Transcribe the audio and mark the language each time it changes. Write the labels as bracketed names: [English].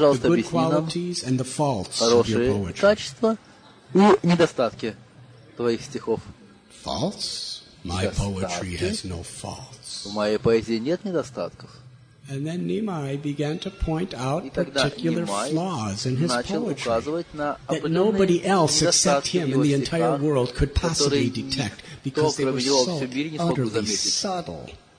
[English] the good qualities and the faults of your poetry. [Russian] Качества и недостатки твоих стихов. [English] Faults? My poetry has no faults. [Russian] В моей поэзии нет недостатков. [English] And then Nimai began to point out particular Nimai flaws in his poetry that nobody else except him in the entire world could possibly detect because they were so utterly subtle.